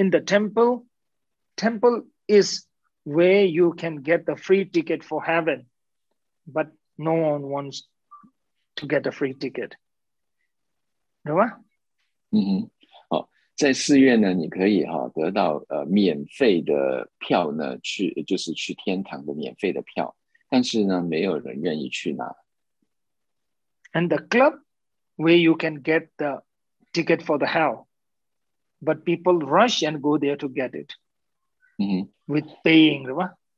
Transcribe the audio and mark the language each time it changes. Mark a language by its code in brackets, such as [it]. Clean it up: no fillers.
[en] In the temple is where you can get the free ticket for heaven, but no one wants to get a free ticket. [zh] 对吧？在寺院呢，你可以哈得到免费的票呢，去就是去天堂的免费的票，但是呢，没有人愿意去拿。 [en] And the club where you can get the ticket for the hell, but people rush and go there to get it with paying, [zh] 对吧？